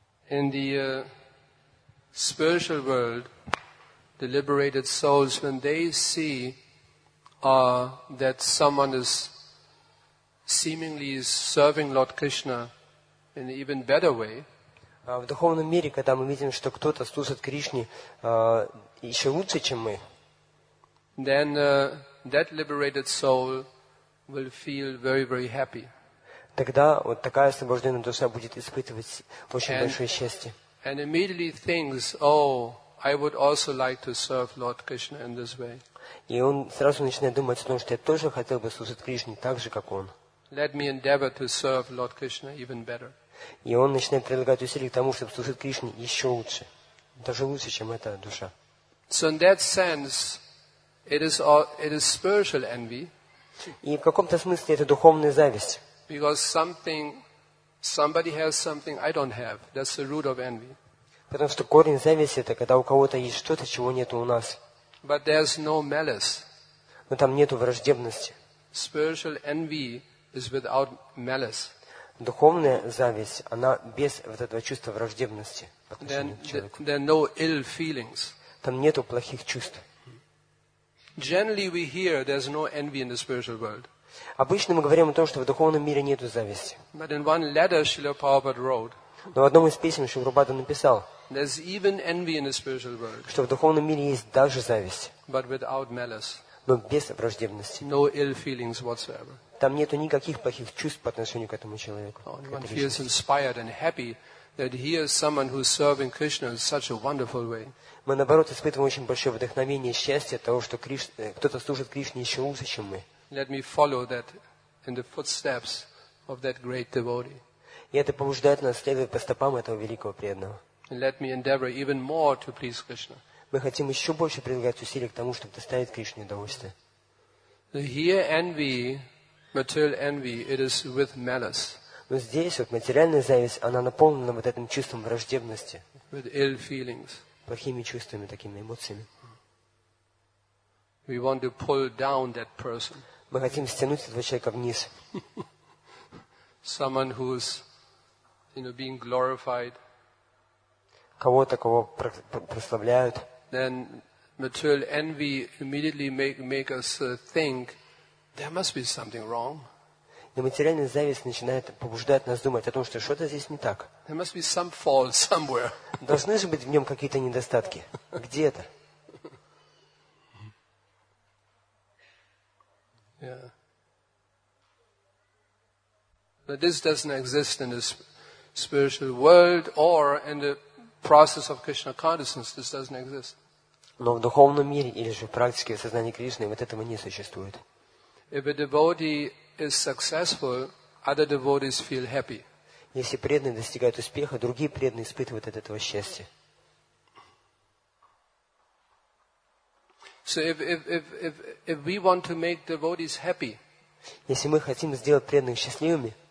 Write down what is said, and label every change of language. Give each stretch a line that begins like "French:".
English: In the spiritual world, the liberated souls, when they see that someone is seemingly serving Lord Krishna in an even better way,
Russian: в духовном мире, когда мы видим, что кто-то служит Кришне еще лучше, чем мы,
English: then that liberated soul will feel very, very happy.
Russian: Тогда вот такая освобожденная душа будет испытывать очень большое счастье.
English: And immediately thinks, oh, I would also like to serve Lord Krishna in this way.
Russian: И он сразу начинает думать о том, что я тоже хотел бы служить Кришне так же, как он.
English: Let me endeavor to serve Lord Krishna even better.
Russian: И он начинает прилагать усилия к тому, чтобы служить Кришне еще лучше, даже лучше, чем эта душа.
English: So in that sense, it is spiritual envy.
Russian: И в каком-то смысле это духовная зависть.
English: Because somebody has something I don't have. That's the root of envy.
Russian: Потому что корень зависти — это когда у кого-то есть что-то, чего нет у нас.
English: But there's no malice.
Russian: Но там нету враждебности.
English: Spiritual envy is without malice.
Russian: Духовная зависть, она без вот этого чувства враждебности по отношению к человеку.
English: There are no ill feelings.
Russian: Там нету плохих чувств.
English: Generally we hear there's no envy in the spiritual world.
Russian: Обычно мы говорим о том, что в духовном мире нету зависти.
English: But in one letter Srila Prabhupada wrote,
Russian: но в одном из писем Шрила Прабхупада написал,
English: there's even envy in the spiritual world.
Russian: Что в духовном мире есть даже зависть.
English: But without malice.
Russian: Но без враждебности.
English: No ill feelings whatsoever.
Russian: Там нету никаких плохих чувств по отношению к этому человеку.
English: One feels inspired and happy that he is someone who is serving Krishna in such a wonderful way.
Russian: Мы наоборот испытываем очень большое вдохновение и счастье от того, что кто-то служит Кришне еще лучше, чем мы.
English: Let me follow that in the footsteps of that great devotee.
Russian: И это побуждает нас следовать по стопам этого великого преданного.
English: Let me endeavor even more to please Krishna.
Russian: Мы хотим еще больше прилагать усилий к тому, чтобы доставить Кришне удовольствие.
English: So here envy, material envy, it is with malice.
Russian: Но здесь вот материальная зависть, она наполнена вот этим чувством враждебности.
English: With ill feelings.
Russian: Плохими чувствами, такими эмоциями.
English: We want to pull down that person.
Russian: Мы хотим стянуть этого человека вниз.
English: Someone who is, you know, being glorified.
Russian: Кого-то, кого прославляют.
English: Then material envy immediately make us think there must be something wrong.
Russian: И материальная зависть начинает побуждать нас думать о том, что что-то здесь не так.
English: There must be some fault somewhere.
Russian: Должны же быть в нем какие-то недостатки. Где это?
English: Yeah. But this doesn't exist in the spiritual world or in the process of Krishna consciousness. This doesn't exist.
Russian: Но в духовном мире или же в практике сознания Кришны вот этого не существует.
English: If a devotee is successful, other devotees feel happy.
Russian: Если преданный достигает успеха, другие преданные испытывают от этого счастье.
English: So if we want to make devotees happy,
Russian: если мы хотим сделать преданных счастливыми,